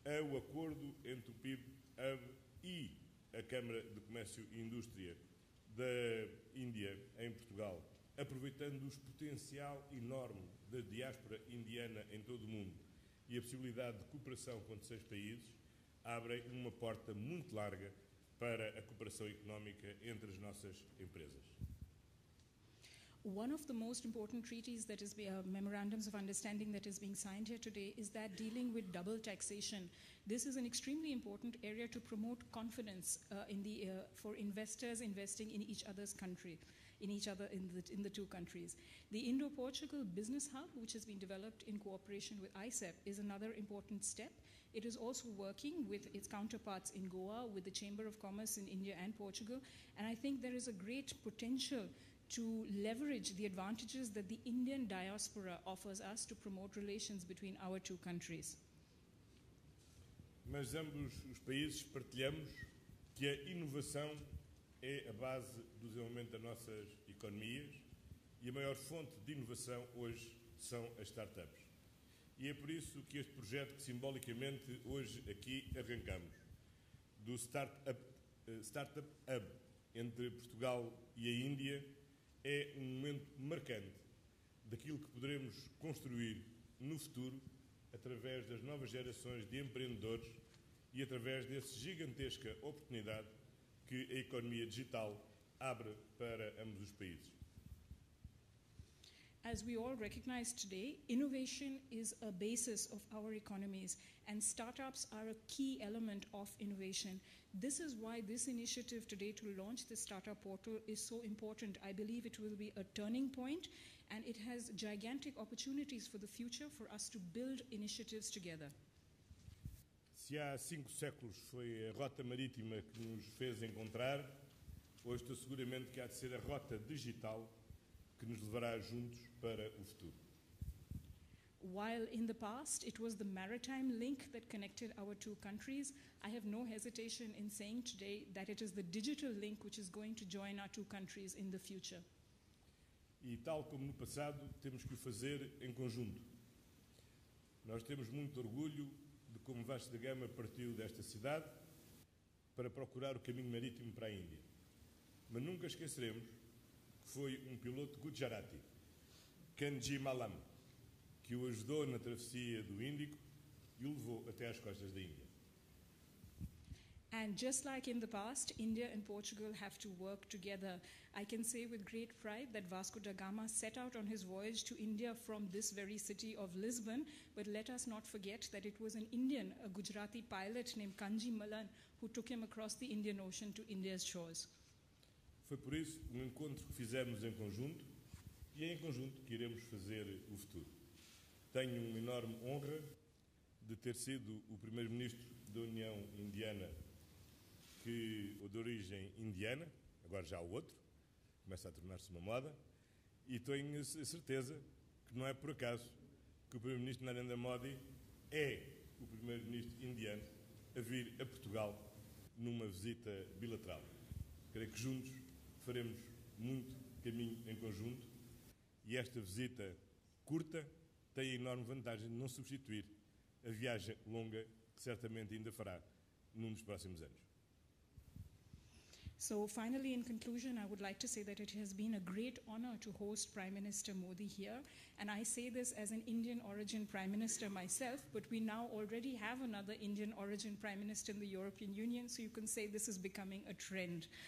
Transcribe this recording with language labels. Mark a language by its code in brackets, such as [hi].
[pt] O acordo entre o PIB AB e a Câmara de Comércio e Indústria da Índia em Portugal, aproveitando o potencial enorme da diáspora indiana em todo o mundo e a possibilidade de cooperação com 16 países, abre uma porta muito larga para a cooperação económica entre as nossas empresas. [en] One of the most important treaties that is memorandums of understanding that is being signed here today is that dealing with double taxation. This is an extremely important area to promote confidence for investors investing in each other's country. In the two countries. The Indo-Portugal Business Hub, which has been developed in cooperation with AICEP, is another important step. It is also working with its counterparts in Goa, with the Chamber of Commerce in India and Portugal, and I think there is a great potential to leverage the advantages that the Indian diaspora offers us to promote relations between our two countries. [pt] Mas ambos os países partilhamos que a inovação é a base do desenvolvimento das nossas economias e a maior fonte de inovação hoje são as startups. E é por isso que este projeto, que simbolicamente hoje aqui arrancamos, do Startup Hub entre Portugal e a Índia, é um momento marcante daquilo que poderemos construir no futuro através das novas gerações de empreendedores e através dessa gigantesca oportunidade que a economia digital abre para ambos os países. [en] As we all recognize today, innovation is a basis of our economies, and startups are a key element of innovation. This is why this initiative today to launch the startup portal is so important. I believe it will be a turning point, and it has gigantic opportunities for the future for us to build initiatives together. [pt] Se há 5 séculos foi a rota marítima que nos fez encontrar, hoje estou seguramente que há de ser a rota digital que nos levará juntos para o futuro. [en] While in the past it was the maritime link that connected our two countries, I have no hesitation in saying today that it is the digital link which is going to join our two countries in the future. [pt] E tal como no passado, temos que o fazer em conjunto. Nós temos muito orgulho de como Vasco da Gama partiu desta cidade para procurar o caminho marítimo para a Índia. Mas nunca esqueceremos que foi um piloto gujarati, Kanji Malam, que o ajudou na travessia do Índico e o levou até às costas da Índia. [en] And just like in the past, India and Portugal have to work together. I can say with great pride that Vasco da Gama set out on his voyage to India from this very city of Lisbon, but let us not forget that it was an Indian, a Gujarati pilot named Kanji Malan, who took him across the Indian Ocean to India's shores. [pt] Foi por isso um encontro que fizemos em conjunto, e é em conjunto que iremos fazer o futuro. Tenho uma enorme honra de ter sido o primeiro-ministro da União Indiana, que ou de origem indiana, agora já o outro, começa a tornar-se uma moda, e tenho a certeza que não é por acaso que o primeiro-ministro Narendra Modi é o primeiro-ministro indiano a vir a Portugal numa visita bilateral. Creio que juntos faremos muito caminho em conjunto e esta visita curta tem a enorme vantagem de não substituir a viagem longa que certamente ainda fará num dos próximos anos. [en] So finally, in conclusion, I would like to say that it has been a great honor to host Prime Minister Modi here. And I say this as an Indian origin Prime Minister myself, but we now already have another Indian origin Prime Minister in the European Union, so you can say this is becoming a trend.